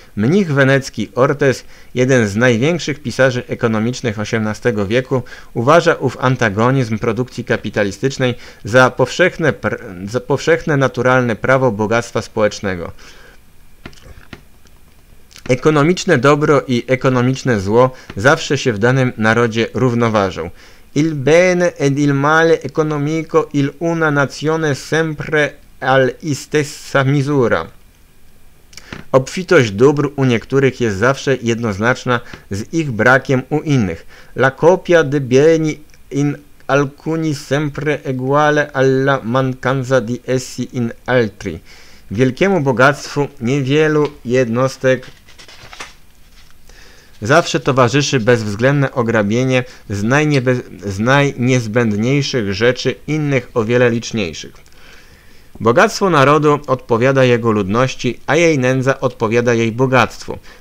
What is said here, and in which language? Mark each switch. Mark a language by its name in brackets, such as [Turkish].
[Polish] Mnich wenecki Ortes, jeden z największych pisarzy ekonomicznych XVIII wieku, uważa ów antagonizm produkcji kapitalistycznej za powszechne naturalne prawo bogactwa społecznego. Ekonomiczne dobro i ekonomiczne zło zawsze się w danym narodzie równoważą. [Italian] Il bene ed il male economico il una nazione sempre all'istessa misura. [Polish] Obfitość dóbr u niektórych jest zawsze jednoznaczna z ich brakiem u innych. [Italian] La copia de beni in alcuni sempre eguale alla mancanza di essi in altri. [Polish] Wielkiemu bogactwu niewielu jednostek zawsze towarzyszy bezwzględne ograbienie z najniezbędniejszych rzeczy innych o wiele liczniejszych. Bogactwo narodu odpowiada jego ludności, a jej nędza odpowiada jej bogactwu.